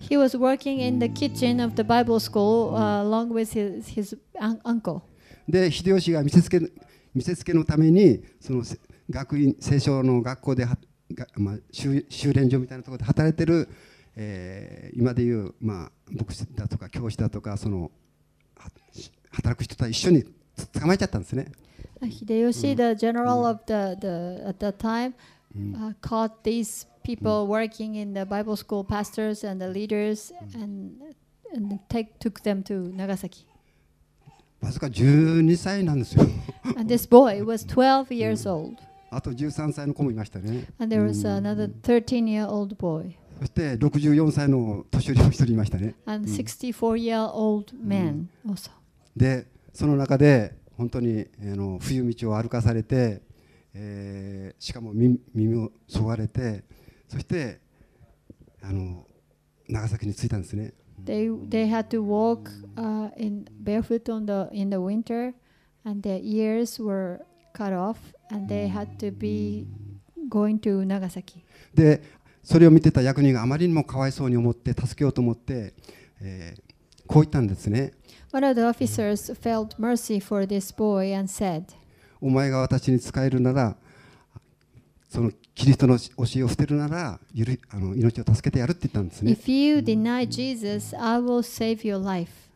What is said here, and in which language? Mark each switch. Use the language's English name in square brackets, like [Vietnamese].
[English] He was working in the kitchen of the Bible school along with his uncle. [Japanese] で、秀吉が見せつけのためにその学院聖書の学校で修練所みたいなところで働いてる。今でいう、まあ、牧師だとか教師だとかその働く人と一緒に捕まえちゃったんですね。 [English] 秀吉、the general of the at that time, caught these people working in the Bible school, pastors and the leaders, and took them to Nagasaki. [Japanese] わずか12歳なんですよ。 [English] And this boy was 12 years old. [Japanese] あと13歳の子もいましたね。 [English] And there was another 13-year-old boy. [Japanese] そして64歳の年寄りも一人いましたね。 [English] And 64-year-old man also. [Japanese] で、その中で本当に冬道を歩かされて、しかも耳を削がれて、そして長崎に着いたんですね。 [English] They had to walk in barefoot in the winter, and their ears were cut off, and they had to be going to Nagasaki. [Japanese] で、それを見てた役人があまりにもかわいそうに思って助けようと思って、こう言ったんですね。 [English] One of the officers felt mercy for this boy and said, [Japanese] お前が私に仕えるなら、そのキリストの教えを捨てるなら、命を助けてやるって言ったんですね。 [English] If you deny Jesus, I will save your life.